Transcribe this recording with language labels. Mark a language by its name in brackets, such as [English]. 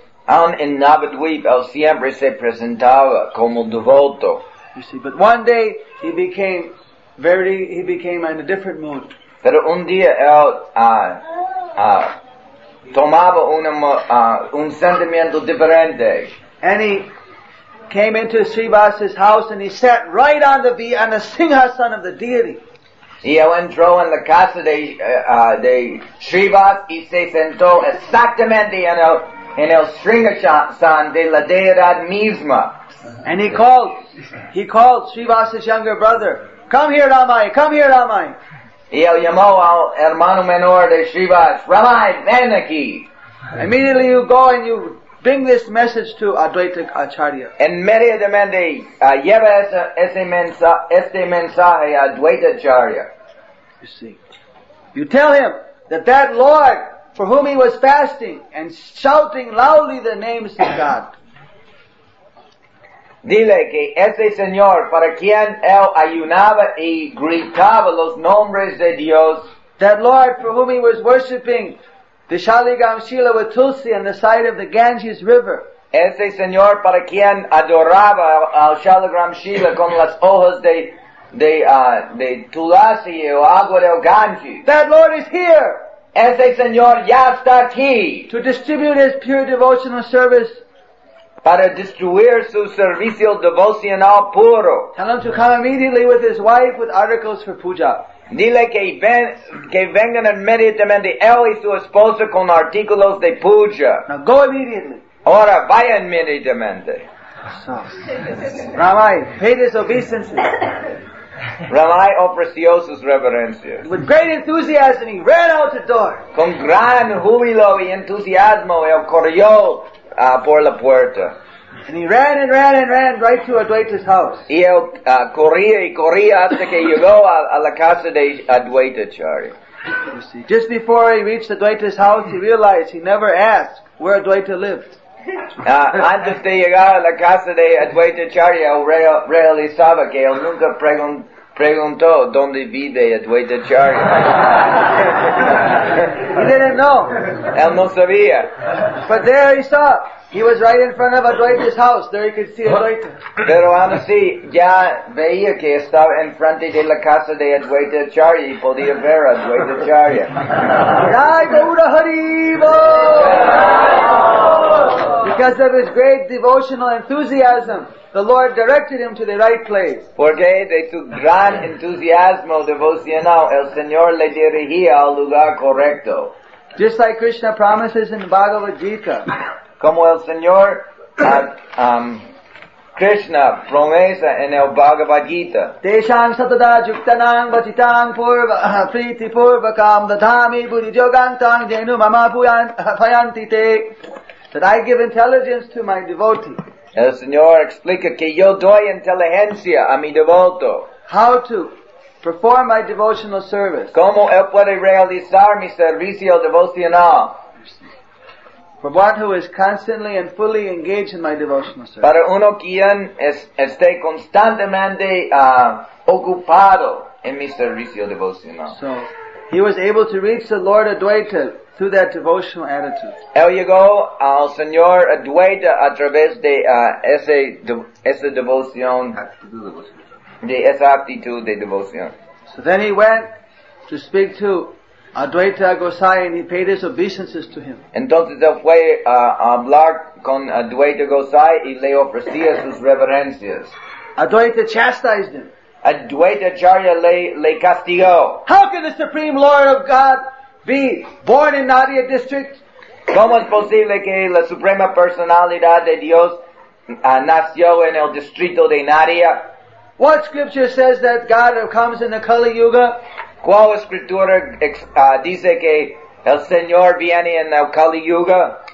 [Spanish] Aun en Navadvip, él siempre se presentaba como devoto. [English] You see, but one day he became in a different mood. [Spanish] Pero un día él tomaba un sentimiento diferente. [English] And he came into Srivasa's house and he sat right on the singhasan of the deity. [Spanish] Y él entró en la casa de Srivas y se sentó exactamente en el singhasan de la deidad misma. [English] And he called Srivasa's younger brother, come here, Ramai, come here, Ramai. [Spanish] Y él llamó al hermano menor de Srivas, Ramai, ven aquí. [English] Immediately you go and you bring this message to Adwaita Acharya. [Spanish] Inmediatamente, lleva ese mensaje a Adwaita Acharya. [English] You see. You tell him that that Lord for whom he was fasting and shouting loudly the names of God. [Spanish] Dile que ese Señor para quien él ayunaba y gritaba los nombres de Dios. [English] That Lord for whom he was worshipping the Shaligam Shila with Tulsi on the side of the Ganges River. [Spanish] Ese señor para quien adoraba al Shaligam Shila con las hojas de Tulsi o agua del Ganges. [English] That Lord is here. [Spanish] Ese señor ya está aquí. [English] To distribute his pure devotional service. [Spanish] Para distribuir su servicio devocional puro. [English] Tell him to come immediately with his wife with articles for puja. [Spanish] Dile que vengan inmediatamente él y su esposa con artículos de puja. [English] Now go immediately. [Spanish] Ahora vaya inmediatamente. [English] Ramai, pay his obeisances. [Spanish] Ramai ofreció sus reverencias. [English] With great enthusiasm he ran out the door. [Spanish] Con gran júbilo y entusiasmo él corrió por la puerta. [English] And he ran and ran and ran right to Adwaita's house. [Spanish] Y él corría y corría hasta que llegó a la casa de Adwaita Acharya. [English] Just before he reached Adwaita's house, he realized he never asked where Adwaita lived. [Spanish] Antes de llegar a la casa de Adwaita Acharya, él realizaba que él nunca preguntó dónde vive Adwaita Acharya. [English] He didn't know. [Spanish] Él no sabía. [English] But there he saw. He was right in front of Adwaita's house. There he could see Adwaita. [Spanish] Pero aún así, ya veía que estaba enfrente de la casa de Adwaita Acharya y podía ver Adwaita Acharya. Jai Gaura Hari Bo! [English] Because of his great devotional enthusiasm, the Lord directed him to the right place. [Spanish] Porque de su gran entusiasmo devocional, el Señor le dirigía al lugar correcto. [English] Just like Krishna promises in the Bhagavad Gita. [Spanish] Como el Señor Krishna promesa en el Bhagavad Gita. [Sanskrit] Deshan satada juktanang bhajitang purva priti purva kam dadami buddhi jogantang jenu mama payanti te. [English] That I give intelligence to my devotee. [Spanish] El Señor explica que yo doy inteligencia a mi devoto. [English] How to perform my devotional service. [Spanish] Como él puede realizar mi servicio devocional. [English] For one who is constantly and fully engaged in my devotional service. [Spanish] Para uno quien esté constantemente ocupado en mi servicio devocional. [English] So, he was able to reach the Lord Adwaita through that devotional attitude. [Spanish] Él llegó al Señor Adwaita a través de esa devoción. De esa actitud de devoción. [English] So then he went to speak to Advaita Gosai, and he paid his obeisances to him. [Spanish] Entonces fue a hablar con Advaita Gosai y le ofrecía sus reverencias. [English] Advaita chastised him. [Spanish] Advaita Acharya le castigó. [English] How can the Supreme Lord of God be born in Nadia district? [Spanish] ¿Cómo es posible que la Suprema Personalidad de Dios nació en el distrito de Nadia? [English] What scripture says that God comes in the Kali Yuga? [Spanish] ¿Cuál escritura dice que el Señor viene en el Kali Yuga?